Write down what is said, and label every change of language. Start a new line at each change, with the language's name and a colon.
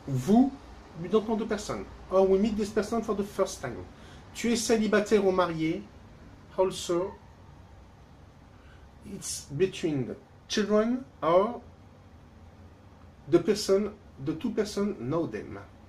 English: Vous, we don't know the person. Or we meet this person for the first time.
French: Tu es célibataire ou marié?
English: Also, it's between the children or the person, the two persons know them.